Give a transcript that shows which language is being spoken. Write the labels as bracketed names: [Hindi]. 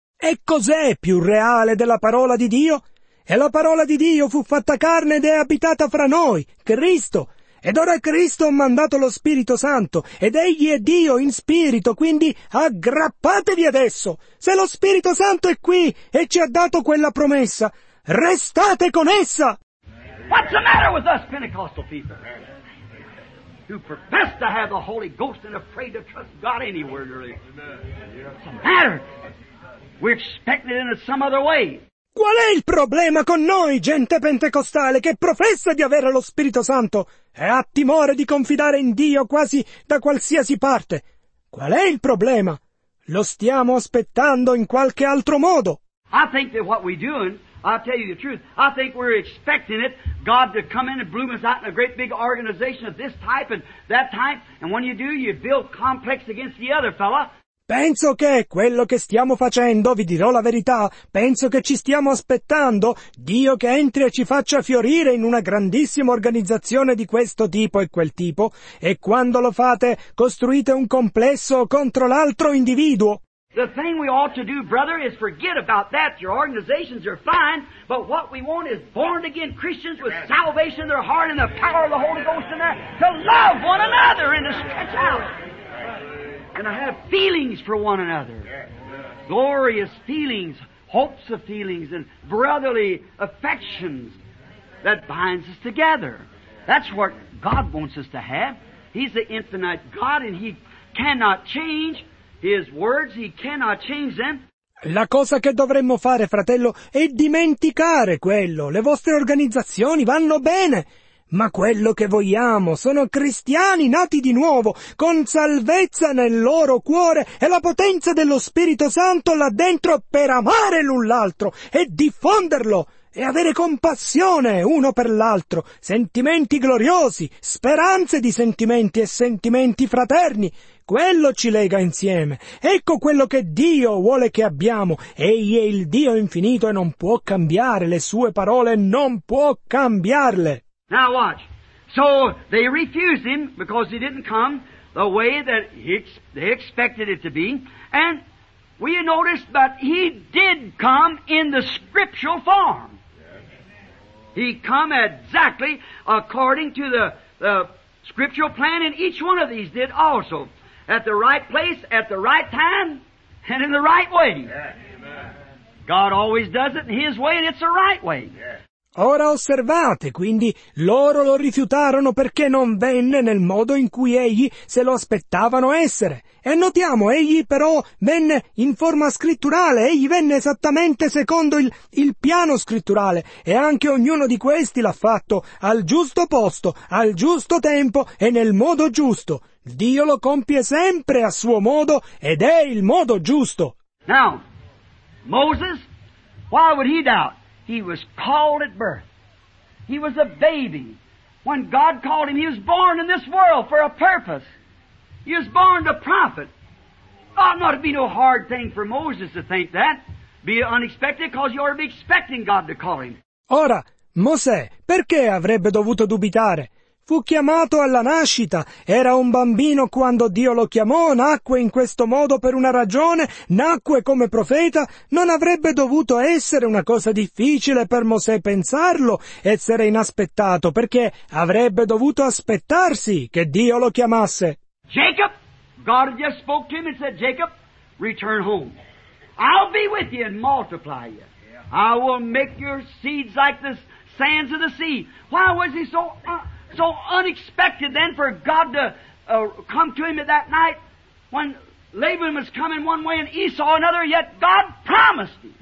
[Italian] E cos'è più reale della parola di Dio? E la parola di Dio fu fatta carne ed è abitata fra noi, Cristo. Ed ora Cristo ha mandato lo Spirito Santo, ed Egli è Dio in spirito, quindi aggrappatevi adesso. Se lo Spirito Santo è qui e ci ha dato quella promessa, restate con essa. [English] What's the matter with us Pentecostal people who profess to have the Holy Ghost and afraid to trust God anywhere? Really? What's the matter? We're expecting it in some other way. [Italian] Qual è il problema con noi, gente pentecostale, che professa di avere lo Spirito Santo e ha timore di confidare in Dio quasi da qualsiasi parte? Qual è il problema? Lo stiamo aspettando in qualche altro modo. [English] I think that what we're doing, I'll tell you the truth, I think we're expecting it, God to come in and bloom us out in a great big organization of this type and that type, and when you do, you build complex against the other fella. [Italian] Penso che quello che stiamo facendo, vi dirò la verità, penso che ci stiamo aspettando Dio che entri e ci faccia fiorire in una grandissima organizzazione di questo tipo e quel tipo, e quando lo fate, costruite un complesso contro l'altro individuo. [English] The thing we ought to do, brother, is forget about that. Your organizations are fine, but what we want is born-again Christians with salvation in their heart and the power of the Holy Ghost in there to love one another and to stretch out and to have feelings for one another. Glorious feelings, hopes of feelings, and brotherly affections that binds us together. That's what God wants us to have. He's the infinite God and He cannot change. His words, he cannot change them. [Italian] La cosa che dovremmo fare, fratello, è dimenticare quello. Le vostre organizzazioni vanno bene, ma quello che vogliamo sono cristiani nati di nuovo, con salvezza nel loro cuore e la potenza dello Spirito Santo là dentro per amare l'un l'altro e diffonderlo e avere compassione uno per l'altro, sentimenti gloriosi, speranze di sentimenti e sentimenti fraterni. Quello ci lega insieme. Ecco quello che Dio vuole che abbiamo. Egli è il Dio infinito e non può cambiare le sue parole, non può cambiarle. [English] Now watch. So they refused him because he didn't come the way that they expected it to be. And we noticed that he did come in the scriptural form. He come exactly according to the scriptural plan, and each one of these did also. At the right place, at the right time, and in the right way. God always does it in His way, and it's the right way. [Italian] Ora osservate, quindi, loro lo rifiutarono perché non venne nel modo in cui egli se lo aspettavano essere. E notiamo, egli però venne in forma scritturale, egli venne esattamente secondo il piano scritturale, e anche ognuno di questi l'ha fatto al giusto posto, al giusto tempo e nel modo giusto. Dio lo compie sempre a suo modo ed è il modo giusto. [English] Now, Moses, why would he doubt? He was called at birth. He was a baby. When God called him, he was born in this world for a purpose. He was born to prophet. Ought not to be no hard thing for Moses to think that. Be unexpected, because you ought to be expecting God to call him. [Italian] Ora, Mosè, perché avrebbe dovuto dubitare? Fu chiamato alla nascita, era un bambino quando Dio lo chiamò, nacque in questo modo per una ragione, nacque come profeta, non avrebbe dovuto essere una cosa difficile per Mosè pensarlo, essere inaspettato, perché avrebbe dovuto aspettarsi che Dio lo chiamasse. [English] Jacob, God just spoke to him and said, Jacob, return home. I'll be with you and multiply you. I will make your seeds like the sands of the sea. Why was he so unexpected then for God to come to him at that night when Laban was coming one way and Esau another, yet God promised him.